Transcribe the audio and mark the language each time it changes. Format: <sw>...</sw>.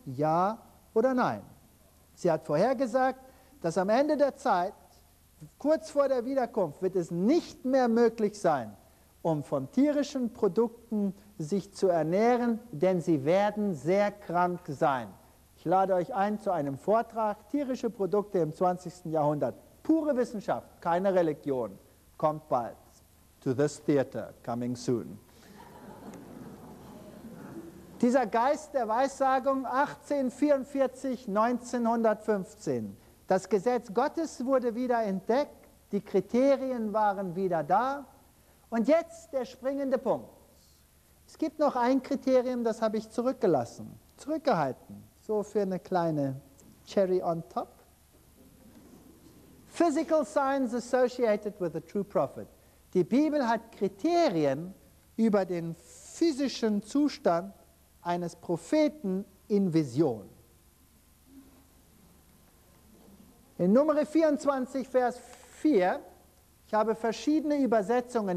<de>Ja oder nein? Sie hat vorhergesagt, dass am Ende der Zeit, kurz vor der Wiederkunft, wird es nicht mehr möglich sein, um von tierischen Produkten sich zu ernähren, denn sie werden sehr krank sein. Ich lade euch ein zu einem Vortrag, tierische Produkte im 20. Jahrhundert, pure Wissenschaft, keine Religion, kommt bald.</de> <en>To this theater, coming soon.</en> <de>Dieser Geist der Weissagung 1844, 1915. Das Gesetz Gottes wurde wieder entdeckt, die Kriterien waren wieder da. Und jetzt der springende Punkt. Es gibt noch ein Kriterium, das habe ich zurückgehalten, so für eine kleine Cherry on top.</de> <en>Physical signs associated with the true prophet.</en> <de>Die Bibel hat Kriterien über den physischen Zustand eines Propheten in Vision. In Nummer 24, Vers 4, ich habe verschiedene Übersetzungen.</de>